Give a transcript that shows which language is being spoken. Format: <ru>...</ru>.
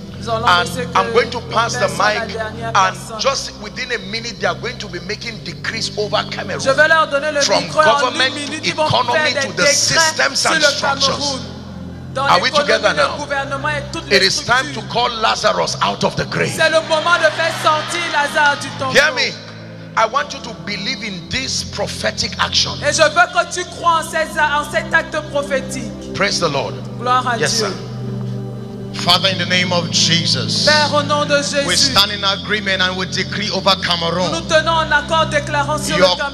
<en>And I'm going to pass the mic, and just within a minute they are going to be making decrees over Cameroon.</en> <fr>Je vais leur donner le</fr> <en>from</en> <fr>micro</fr> <en>government</en> <fr>en une minute,</fr> <en>economy to the systems and structures. Are we together now? It is time to call Lazarus out of the grave.</en> <fr>C'est le moment de faire sortir Lazare du tombeau.</fr> <en>Hear me. I want you to believe in this prophetic action.</en> <fr>Et je veux que tu crois en cet acte prophétique.</fr> <en>Praise the Lord.</en> <fr>Gloire à</fr> <en>yes,</en> <fr>Dieu.</fr> <en>Sir. Father, in the name of Jesus,</en> <fr>Père, au nom de Jésus,</fr> <en>we stand in agreement and we decree over Cameroon.</en> <fr>Nous tenons en accord, déclarant sur le Cameroun,</fr>